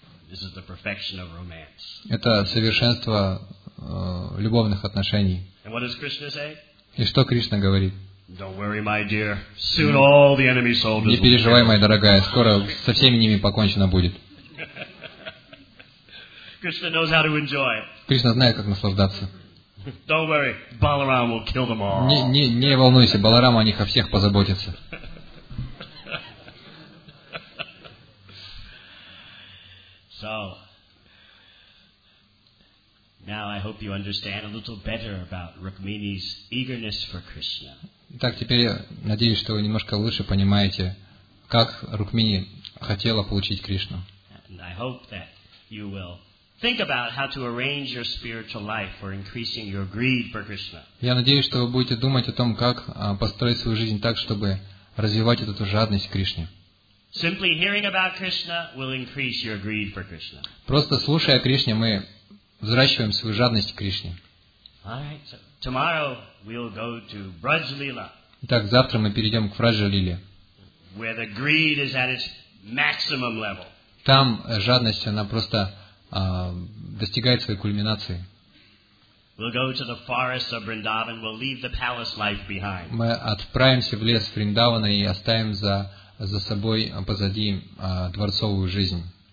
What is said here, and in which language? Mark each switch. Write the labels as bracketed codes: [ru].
[en] This is the perfection of romance. [ru] Это совершенство любовных отношений. [en] And what does Krishna say? [ru] И что Кришна говорит? [en] Don't worry, my dear. Soon all the enemy soldiers. [ru] Не переживай, моя дорогая. Скоро со всеми ними покончено будет. [en] Krishna knows how to enjoy. [ru] Кришна знает, как наслаждаться. [en] Don't worry, Balaram will kill them all. [ru] Не волнуйся, Баларам о них о всех позаботится. [en] So. Now I hope you understand a little better about Rukmini's eagerness for Krishna. [ru] Итак, теперь я надеюсь, что вы немножко лучше понимаете, как Рукмини хотела получить Кришну. [en] And I hope that you will think about how to arrange your spiritual life for increasing your greed for Krishna. [ru] Я надеюсь, что вы будете думать о том, как построить свою жизнь так, чтобы развивать эту жадность к Кришне. [en] Simply hearing about Krishna will increase your greed for Krishna. [ru] Просто слушая о Кришне, мы взращиваем свою жадность к Кришне. [en] All right, so tomorrow we'll go to Brajlila. [ru] Итак, завтра мы перейдем к Вражлиле. [en] Where the greed is at its maximum level. [ru] Там жадность, она просто достигает своей кульминации. [en] We'll go to the forest of Vrindavan. We'll leave the palace life behind. [ru] Мы отправимся в лес Вриндавана и оставим за собой позади дворцовую жизнь.